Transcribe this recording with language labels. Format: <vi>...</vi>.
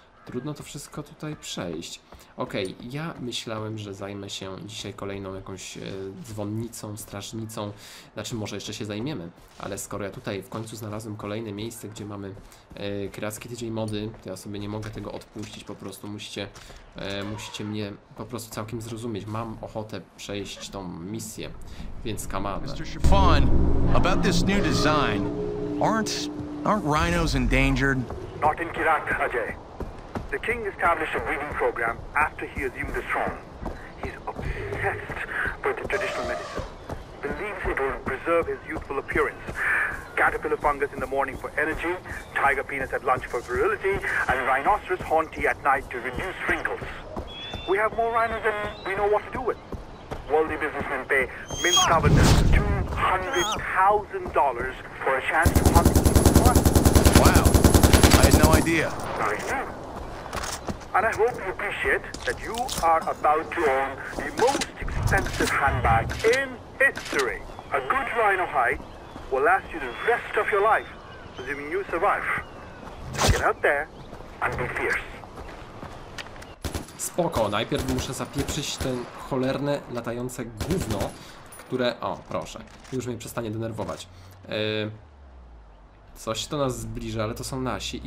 <pl>Trudno to wszystko tutaj przejść. Okej, ja myślałem, że zajmę się dzisiaj kolejną jakąś dzwonnicą, strażnicą. Znaczy, może jeszcze się zajmiemy. Ale skoro ja tutaj w końcu znalazłem kolejne miejsce, gdzie mamy kreacki tydzień mody, to ja sobie nie mogę tego odpuścić. Po prostu musicie mnie po prostu całkiem zrozumieć. Mam ochotę przejść tą misję.</pl> <en>Więc come on. Mr. Chiffon, about this new design. Aren't rhinos endangered? Not in Kirak, Ajay. The king established a breeding program after he assumed the throne. He's obsessed with the traditional medicine. Believes it will preserve his youthful appearance. Caterpillar fungus in the morning for energy, tiger penis at lunch for virility, and rhinoceros horn tea at night to reduce wrinkles. We have more rhinos than we know what to do with. Worldly businessmen pay mint governors $200,000 for a chance to hunt the one. Wow, I had no idea. And I hope you appreciate that you are about to own the most expensive handbag in history. A good rhino hide will last you the rest of your life, assuming you survive. So get out there and be fierce.</en> <pl>Spoko, najpierw muszę zapieprzyć ten cholerne latające gówno, które... O, proszę, już mnie przestanie denerwować. Coś do nas zbliża, ale to są nasi.</pl>